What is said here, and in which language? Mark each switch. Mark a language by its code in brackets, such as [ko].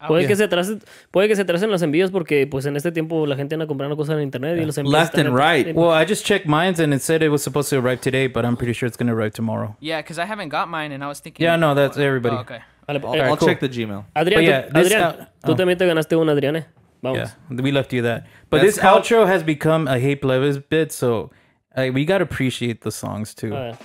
[es] Puede que se atrasen los envíos porque, pues, en este tiempo la gente anda comprando cosas en internet y los envíos... [en] Left and right. Well, I just checked mine and it said it was supposed to arrive today, but I'm pretty sure it's going to arrive tomorrow. Yeah, because I haven't got mine and I was thinking... Yeah, no, that's everybody. Oh, okay. I'll check the Gmail. [es] Adrián, tú también te ganaste un Adrián, vamos. [en] Yeah, we left you that. But that's this outro has become a Hey Plebis bit, so we got to appreciate the songs, too.